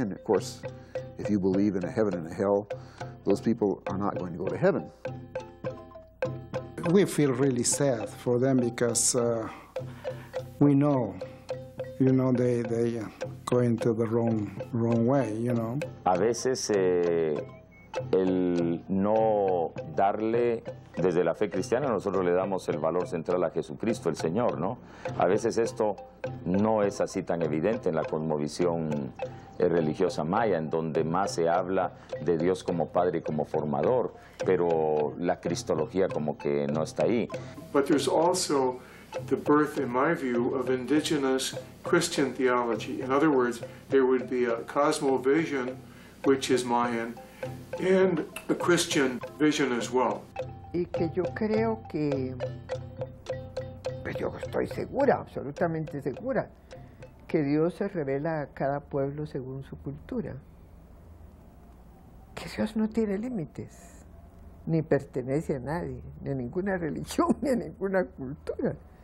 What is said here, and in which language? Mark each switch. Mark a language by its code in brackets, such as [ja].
[en] And of course, if you believe in a heaven and a hell, those people are not going to go to heaven. We feel really sad for them because we know, you know, they go into the wrong way, you know. [es] A veces el no darle desde la fe cristiana, nosotros le damos el valor central a Jesucristo, el Señor, ¿no? A veces esto no es así tan evidente en la cosmovisión religiosa maya, en donde más se habla de Dios como Padre y como Formador, pero la cristología como que no está ahí. [en] But there's also the birth, in my view, of indigenous Christian theology. In other words, there would be a cosmovision, which is Mayan, and a Christian vision as well. [es] Y que yo creo que, pues yo estoy segura, absolutamente segura, que Dios se revela a cada pueblo según su cultura. Que Dios no tiene límites, ni pertenece a nadie, ni a ninguna religión, ni a ninguna cultura.